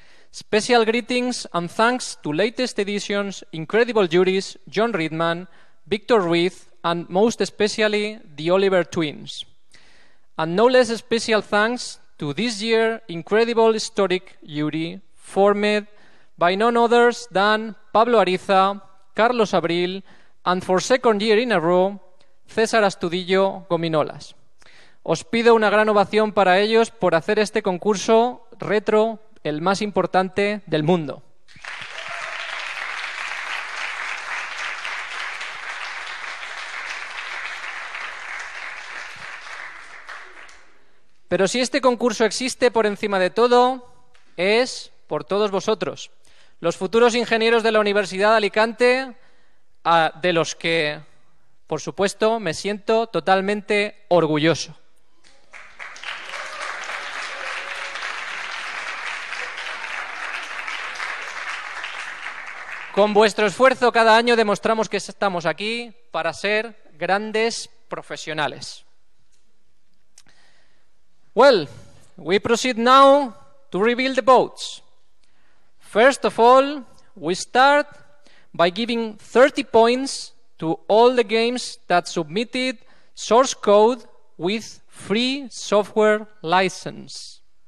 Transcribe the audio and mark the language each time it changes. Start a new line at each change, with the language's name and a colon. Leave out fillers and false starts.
English: Special greetings and thanks to latest editions, incredible juries, John Riedman, Victor Ruiz, and most especially, the Oliver Twins. And no less special thanks to this year's incredible historic jury formed by none others than Pablo Ariza, Carlos Abril, and for second year in a row, César Astudillo Gominolas.
Spanish: Os pido una gran ovación para ellos por hacer este concurso retro el más importante del mundo. Pero si este concurso existe por encima de todo, es por todos vosotros, los futuros ingenieros de la Universidad de Alicante, de los que, por supuesto, me siento totalmente orgulloso. Con vuestro esfuerzo cada año demostramos que estamos aquí para ser grandes profesionales.
English: Well, we proceed now to reveal the votes. First of all, we start by giving 30 points to all the games that submitted source code with free software license.